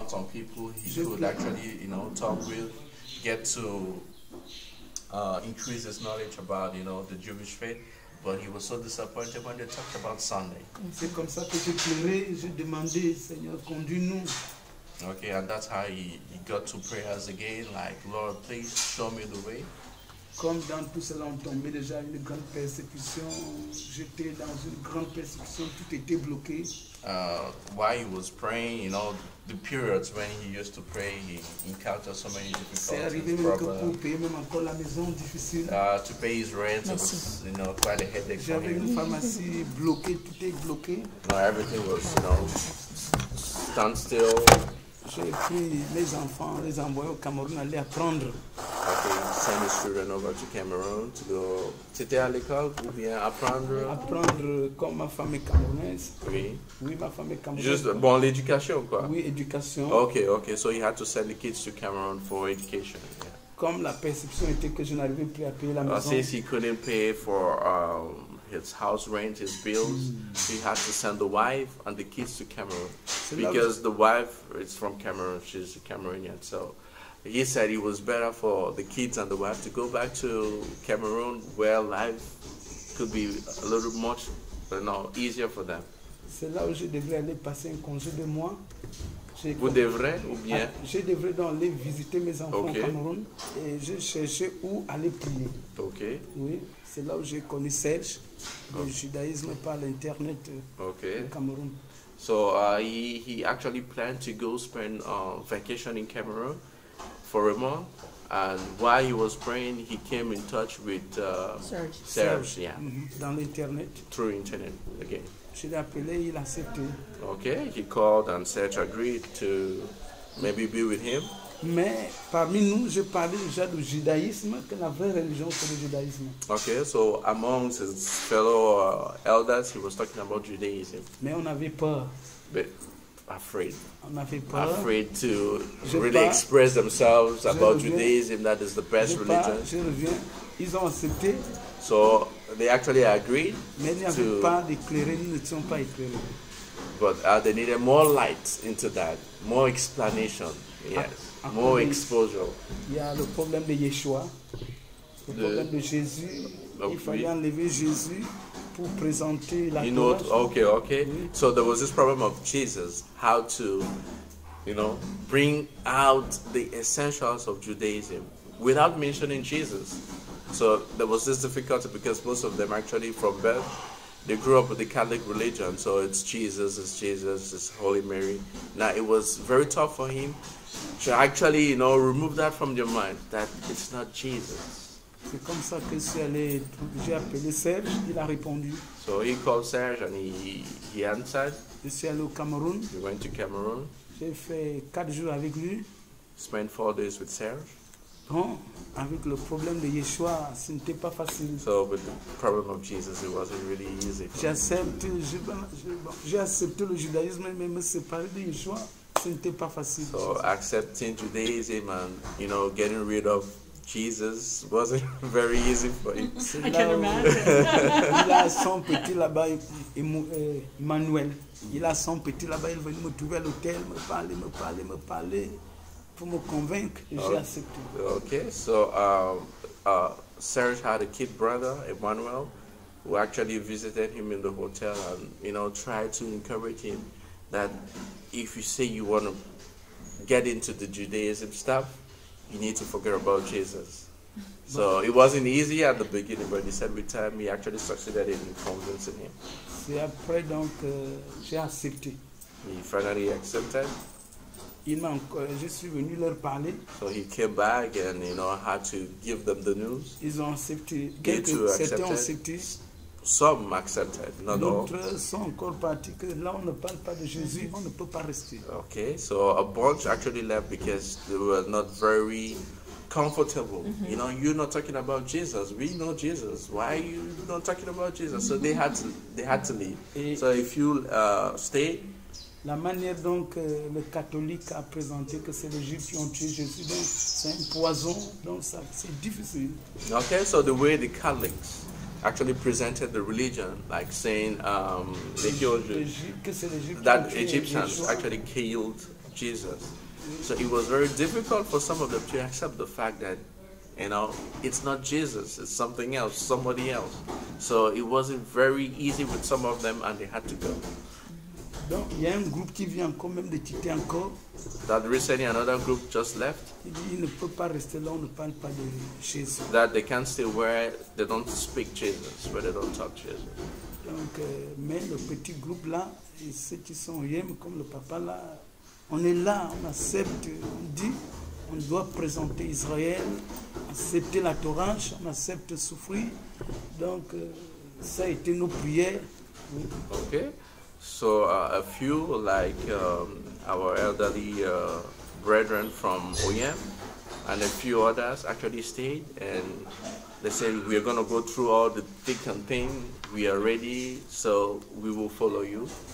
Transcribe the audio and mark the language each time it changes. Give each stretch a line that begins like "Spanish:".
English: some people he could actually, you know, talk with, get to increase his knowledge about, you know, the Jewish faith. But he was so disappointed when they talked about Sunday.
French: C'est comme ça que j'ai pleuré, j'ai demandé, Seigneur, conduis-nous.
English: Okay, and that's how he got to prayers again, like, Lord, please show me the way.
French: Comme dans tout cela, on tombait déjà une grande persécution. J'étais dans une grande persécution, tout était bloqué.
English: While he was praying, you know, the periods when he used to pray, he encountered so many difficulties.
French: C'est arrivé même que pour payer même encore la maison difficile.
English: To pay his rent, it was, you know, quite a headache.
French: J'avais une pharmacie bloquée, tout était bloqué.
English: No, everything was, you know, stand still.
French: J'ai pris mes enfants, les envoyer au Cameroun, aller apprendre.
English: Okay, send his children over to Cameroun to go.
French: C'était à l'école ou bien apprendre? Apprendre comme ma femme est camerounaise. Oui. Oui, ma femme est camerounaise. Juste bon l'éducation quoi. Oui, éducation.
English: Okay, okay. So you had to send the kids to Cameroon for education. Yeah.
French: Comme la perception était que je n'arrivais plus à payer la maison.
English: Since he couldn't pay for his house rent, his bills, he had to send the wife and the kids to Cameroon. Because the wife is from Cameroon, she's a Cameroonian, so he said it was better for the kids and the wife to go back to Cameroon where life could be a little much, you know, easier for them.
French: C'est là où je devrais aller passer un congé de moi. Vous devrez ou bien? Je devrais donc aller visiter mes enfants au Cameroun et je cherchais où aller prier.
English: Ok.
French: Oui. C'est là où j'ai connu Serge, le judaïsme par l'internet au Cameroun.
English: So he actually planned to go spend vacation in Cameroon for a month, and while he was praying, he came in touch with Serge. Yeah.
French: Dans l'internet.
English: Through internet again.
French: Je l'ai appelé, il a accepté.
English: Okay, he called and Serge agreed to maybe be with him.
French: Mais parmi nous, je parlais déjà du judaïsme, que la vraie religion c'est le judaïsme.
English: Okay, so among his fellow elders, he was talking about Judaism.
French: Mais on avait peur.
English: But afraid.
French: On avait peur.
English: Afraid to express themselves about Judaism, that is the best religion.
French: Je reviens. Ils ont accepté.
English: So they actually agreed.
French: Mais ils n'avaient pas d'éclairé, ils ne sont pas éclairés.
English: But they needed more light into that, more explanation. Yes. More exposure.
French: Il y a le problème de Yeshua, le problème de Jésus. Il fallait enlever Jésus pour présenter la
English: Torah. Okay, okay.
French: Oui.
English: So there was this problem of Jesus, how to, you know, bring out the essentials of Judaism without mentioning Jesus. So there was this difficulty because most of them actually from birth, they grew up with the Catholic religion. So it's Jesus, it's Holy Mary. Now it was very tough for him. So actually, you know, remove that from your mind, that it's not Jesus.
French: C'est comme ça que je suis allé, j'ai appelé Serge, il a répondu.
English: So he called Serge and he answered.
French: Je suis allé au Cameroun.
English: He went to Cameroon.
French: J'ai fait 4 jours avec lui.
English: Spent 4 days with Serge.
French: Bon, avec le problème de Yeshua, ce n'était pas facile.
English: So with the problem of Jesus, it wasn't really easy.
French: J'ai accepté le judaïsme, mais me séparer de Yeshua.
English: So accepting Judaism and, you know, getting rid of Jesus wasn't very easy for him. I can imagine.
French: Il a son petit là-bas, Emmanuel. Il a son petit là-bas, il est venu me trouver à l'hôtel, me parler pour me convaincre. J'ai accepté.
English: Okay, so Serge had a kid brother, Emmanuel, who actually visited him in the hotel and, you know, tried to encourage him that if you say you want to get into the Judaism stuff, you need to forget about Jesus. So it wasn't easy at the beginning, but he said with time he actually succeeded in convincing him.
French: C'est après donc j'ai accepté.
English: He finally accepted.
French: Je suis venu leur parler.
English: So he came back and, you know, had to give them the news.
French: Ils ont accepté. Quelques accepté.
English: Some accepted, not all.
French: D'autres sont encore partis, que là on ne parle pas de Jésus, on ne peut pas rester.
English: Okay, so a bunch actually left because they were not very comfortable. Mm-hmm. You know, you're not talking about Jesus, we know Jesus. Why are you not talking about Jesus? So they had to leave. Et so if you stay.
French: La manière donc le catholique a présenté que c'est les Juifs qui ont tué Jésus, donc c'est un poison, donc ça, c'est difficile.
English: Okay, so the way the Catholics actually presented the religion, like saying
French: que c'est
English: that Egyptians actually killed Jesus. So it was very difficult for some of them to accept the fact that, you know, it's not Jesus, it's something else, somebody else. So it wasn't very easy with some of them, and they had to go.
French: Donc, il y a un groupe qui vient encore, même de quitter encore.
English: That recently another group just left.
French: Ils ne peuvent pas rester là, on ne parle pas de Jésus.
English: That they can't stay where they don't speak Jesus, where they don't talk Jesus.
French: Donc, mais le petit groupe là, ceux qui sont rien, comme le papa là, on est là, on accepte, on dit, on doit présenter Israël, accepter la Torah, on accepte souffrir. Donc, ça a été nos prières.
English: Ok. So a few like our elderly brethren from Oyem and a few others actually stayed, and they said, we are going to go through all the thick and thin, we are ready, so we will follow you.